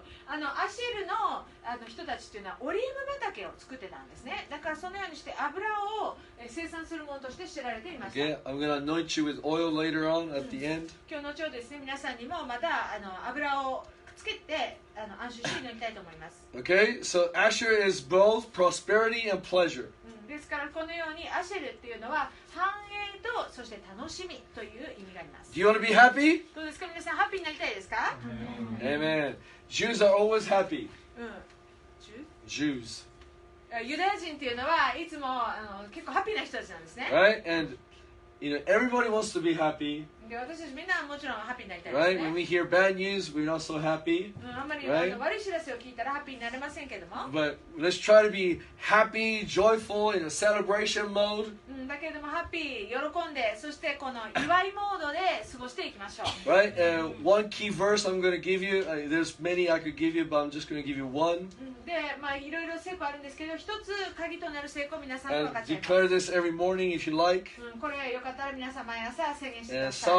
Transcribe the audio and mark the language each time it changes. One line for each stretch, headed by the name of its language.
Japanese: アシェル の, あの人たちというのはオリーブ畑を作ってたんですね。だからそのようにして油を生産するものとして知られていました。
English: Okay, I'm going to anoint you with oil later on at the end.
Japanese: 今日のうちをですね、皆さんにもまたあの油をつけて安心して飲みたいと思います。
English: Okay, so Asher is both prosperity and pleasure.
Japanese: ですからこのようにアシェルっていうのは繁栄とそして楽しみという意味があります。
English: Do you want to be happy?
Japanese: どうですか、皆さんハッピーになりたいですか？
English: Amen. Amen. Jews are always happy. Jews.
Japanese: ユダヤ人っていうのはいつも結構ハッピーな人たちなんですね。
English: Right? And you know, everybody wants to be happy.
Japanese: 私たちみんなもちろんハッピーになりたいですね。
English: Right? When we hear bad news, we're not so happy.
Japanese: あんまり悪い知らせを聞いたらハッピーになれませんけども。
English: But let's try to be happy, joyful in a celebration mode.
Japanese: だけどもハッピー、喜んで、そしてこの祝いモードで過ごしていきましょう。
English: Right? One key verse I'm going to give you. There's many I could give you, but I'm just going to give you one.
Japanese: で、まあいろいろ聖句あるんですけど、一つ鍵となる聖句を皆さんに分か
English: って。Declare this every morning if you like.
Japanese: これはよかったら皆さん毎朝宣言してください。